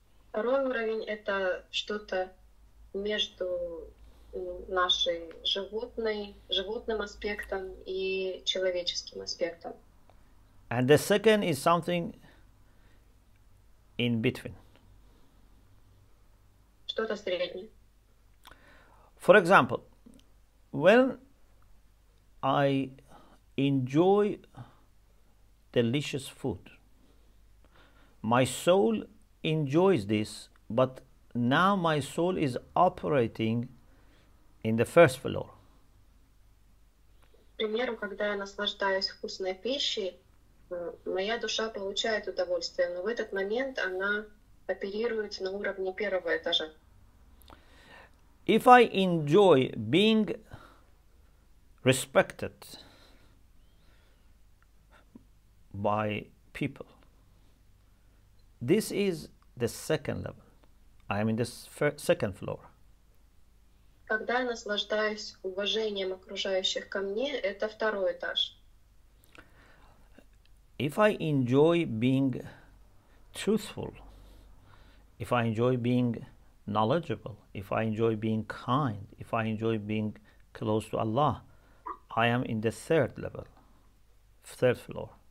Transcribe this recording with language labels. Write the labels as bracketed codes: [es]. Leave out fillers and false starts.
[ru] Второй уровень — это что-то между нашей животным аспектом и человеческим аспектом. [en] And the second is something in between. [ru] Что-то среднее. [en] For example, when I enjoy delicious food, my soul enjoys this, but now my soul is operating in the first floor. [ru] К примеру, когда я наслаждаюсь вкусной пищей, моя душа получает удовольствие, но в этот момент она оперирует на уровне первого этажа. [en] If I enjoy being respected by people, this is the second level. I am in the second floor. [ru] Когда я наслаждаюсь уважением окружающих ко мне, это второй этаж. [en] If I enjoy being truthful, if I enjoy being knowledgeable, if I enjoy being kind, if I enjoy being close to Allah, I am in the third level, third floor.